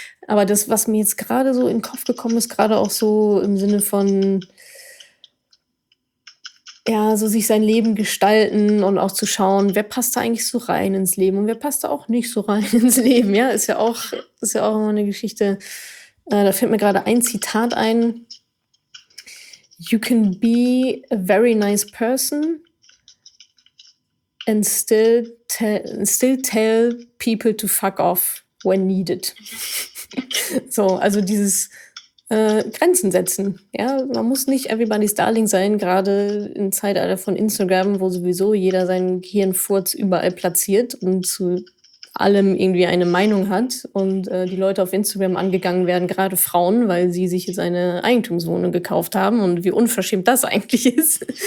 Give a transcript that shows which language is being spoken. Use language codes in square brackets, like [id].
[de] Aber das, was mir jetzt gerade so in den Kopf gekommen ist, gerade auch so im Sinne von ja, so sich sein Leben gestalten und auch zu schauen, wer passt da eigentlich so rein ins Leben und wer passt da auch nicht so rein ins Leben. Ja, ist ja auch immer eine Geschichte. Da fällt mir gerade ein Zitat ein. [en] You can be a very nice person and still tell people to fuck off when needed. [de] So, also dieses Grenzen setzen. Ja, man muss nicht everybody's darling sein, gerade im Zeitalter von Instagram, wo sowieso jeder seinen Gehirnfurz überall platziert und zu allem irgendwie eine Meinung hat und die Leute auf Instagram angegangen werden, gerade Frauen, weil sie sich seine Eigentumswohnung gekauft haben und wie unverschämt das eigentlich ist.